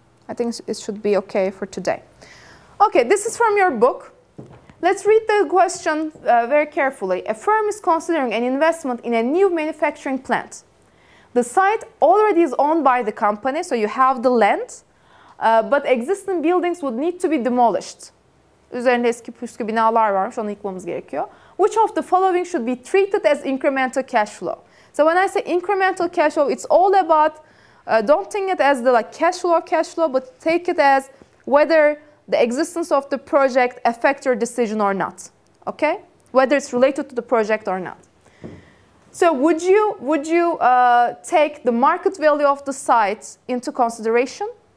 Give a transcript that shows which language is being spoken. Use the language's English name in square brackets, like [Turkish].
[English] I think it should be okay for today. Okay, this is from your book. Let's read the question very carefully. A firm is considering an investment in a new manufacturing plant. The site already is owned by the company, so you have the land, but existing buildings would need to be demolished. [Turkish] Üzerinde eski püskü binalar varmış, onu yıkmamız gerekiyor. [English] Which of the following should be treated as incremental cash flow? So when I say incremental cash flow, it's all about, don't think it as the like cash flow, but take it as whether the existence of the project affects your decision or not, okay? Whether it's related to the project or not. So would you take the market value of the site into consideration?